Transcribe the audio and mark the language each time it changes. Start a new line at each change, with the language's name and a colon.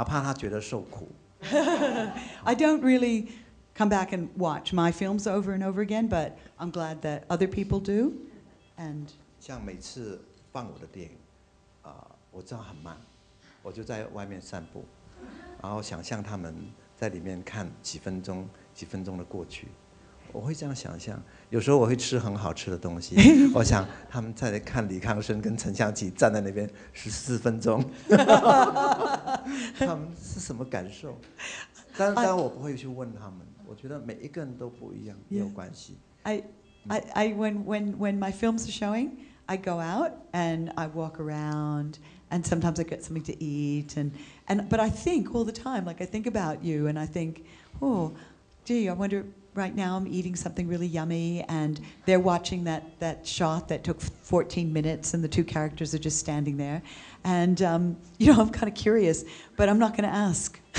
Chinese: 简单说，我不太回来看我的作品。好，但是我很开心别人看我的作品，哪怕他觉得受苦。
English: I don't really come back and watch my films over and over again, but I'm glad that other people do. And
Chinese: 像每次放我的电影，我知道很慢，我就在外面散步，然后想象他们。在里面看几分钟，几分钟的过去，我会这样想象。有时候我会吃很好吃的东西，我想他们在看李康生跟陈湘琪站在那边14分钟，他们是什么感受？当然我不会去问他们，我觉得每一个人都不一样，没有关系。
English: I when my films are showing, I go out and I walk around and sometimes I get something to eat, and but I think all the time, like I think about you, and I think, oh, gee, I wonder, right now I'm eating something really yummy, and they're watching that shot that took 14 minutes, and the two characters are just standing there, and you know, I'm kind of curious, but I'm not going to ask.